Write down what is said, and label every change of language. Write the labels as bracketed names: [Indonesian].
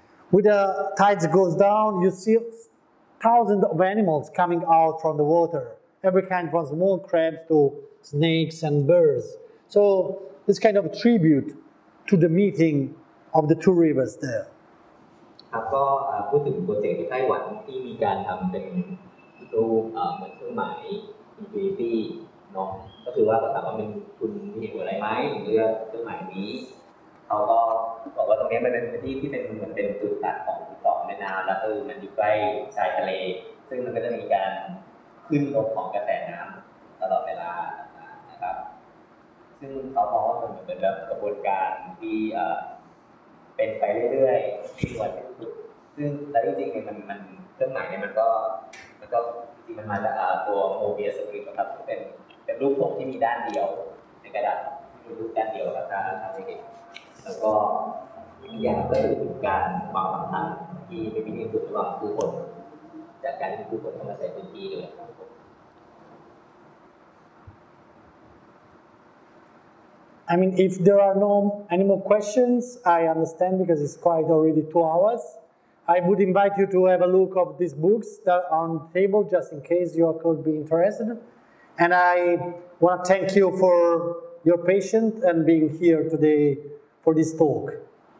[English] When the tides goes down, you see thousands of animals coming out from the water, every kind from small crabs to snakes and birds. So this kind of tribute to the meeting of the two rivers there. [Thai] ครับก็พูดถึงโปรเจกต์ที่ไต้หวันที่มีการทำเป็นรูปเหมือนเครื่องหมาย infinity เนาะก็คือว่าถามว่าเป็นคุณมีเหตุผลอะไรไหมถึงเลือกเครื่องหมายนี้เขาก็บอกว่าตรงนี้มันเป็นพื้นที่ที่เป็นเหมือนเป็นจุดตัดของติดต่อแม่น้ำแล้วเออมันอยู่ใกล้ชายทะเลซึ่งมันก็จะมีการขึ้นลงของกระแสน้ำตลอดเวลานะครับซึ่งเขาบอกว่ามันเหมือนแบบกระบวนการที่ เป็นไปเรื่อยๆที่หวัดซึ่งแต่จริงๆเนี่ยมันเครื่องหมายเนี่ยมันก็จริงมันมาจากตัวโมเบียสกริปครับเป็นรูปทรงที่มีด้านเดียวในกระดาษมีรูปด้านเดียวแล้วครับแล้วก็อีกอย่างก็คือการความสัมพันธ์ที่ไม่มีที่สุดระหว่างผู้คนจากการที่ผู้คนเข้ามาใช้พื้นที่ด้วย [English] I mean, if there are no any more questions, I understand because it's quite already 2 hours. I would invite you to have a look of these books that are on the table, just in case you could be interested. And I want to thank you for your patience and being here today for this talk.